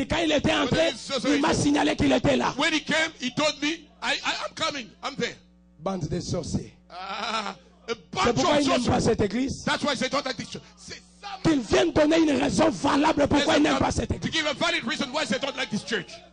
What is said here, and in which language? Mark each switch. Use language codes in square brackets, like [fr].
[fr] Quand il était entré, il m'a signalé qu'il était là. [en] When he came, he told me, I'm coming, I'm there. [fr] Bande de sorciers. C'est pourquoi ils n'aiment pas cette église. [en] That's why they don't like this church. [fr] Qu'ils viennent donner une raison valable pourquoi ils n'aiment pas cette église. [en] To give a valid reason why they don't like this church.